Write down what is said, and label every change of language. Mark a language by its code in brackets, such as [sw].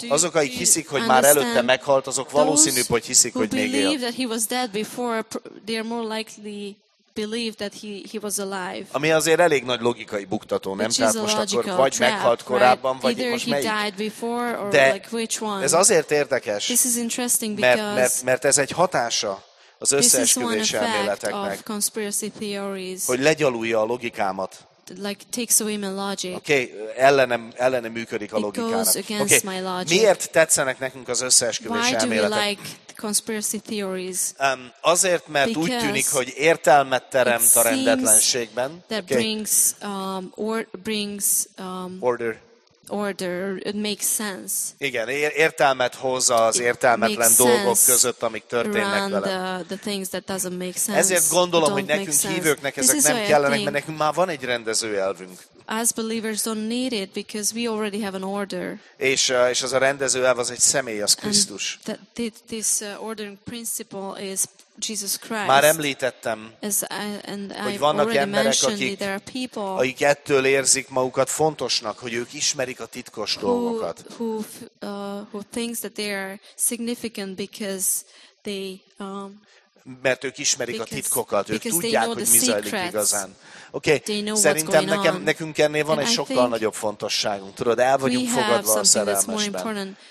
[hu] Azok, akik hiszik, hogy már előtte meghalt, azok valószínűbb, hogy hiszik, hogy még él. [en] That he was dead before, they are more likely believe that he was alive. [hu] Ami azért elég nagy logikai buktató, nem? Tehát most akkor vagy [en] trap, [hu] meghalt korábban, [en] right? [hu] Vagy most melyik. [en] Died before, or [hu] de [en] like which one. [hu] Ez azért érdekes, [en] this is interesting because [hu] mert ez egy hatása az összeesküvés elméleteknek, hogy legyalulja a logikámat. [en] Like takes away my logic. [hu] Okay, ellenem működik a logikának. [en] It goes against okay, my logic. [hu] Miért tetszenek nekünk az összeesküvés [en] Why [hu] elméletek? [en] Do we like conspiracy theories? [hu] Azért, mert [en] because [hu] úgy tűnik, hogy értelmet teremt a rendetlenségben. [en] That okay. brings order. Order. It makes sense. [hu] Igen, értelmet hoz az értelmetlen dolgok között, amik történnek vele. [en] The things that doesn't make sense. [hu] Ezért gondolom, hogy nekünk hívőknek ezek nem kellenek, mert nekünk már van egy rendező elvünk. [en] As believers don't need it because we already have an order. [hu] És az a rendező elv az egy személy, az Krisztus. [en] This ordering principle is Jesus Christ. [hu] Már említettem, hogy vannak emberek, akik ettől érzik magukat fontosnak, hogy ők ismerik a titkos dolgokat. [en] Who thinks that they are significant because they [hu] mert ők ismerik [en] because, [hu] a titkokat, ők tudják, hogy mi zajlik igazán. Oké, [en] okay. [hu] Szerintem nekünk ennél van egy sokkal nagyobb fontosságunk. Tudod, el vagyunk fogadva a szerelmesben.